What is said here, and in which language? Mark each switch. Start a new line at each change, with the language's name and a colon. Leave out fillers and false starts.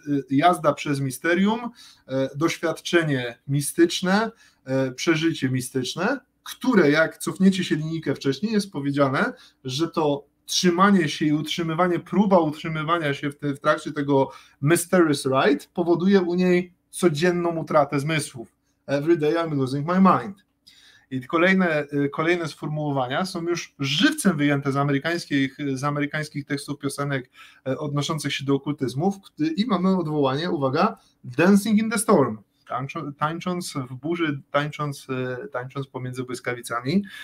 Polish: jazda przez misterium, doświadczenie mistyczne, przeżycie mistyczne, które jak cofniecie się linijkę wcześniej, jest powiedziane, że to trzymanie się i utrzymywanie, próba utrzymywania się w trakcie tego mysterious ride powoduje u niej codzienną utratę zmysłów.
English: Every day I'm losing my mind.
Polish: I kolejne sformułowania są już żywcem wyjęte z amerykańskich tekstów piosenek odnoszących się do okultyzmów i mamy odwołanie, uwaga, Dancing in the Storm. Tańcząc w burzy, tańcząc pomiędzy błyskawicami.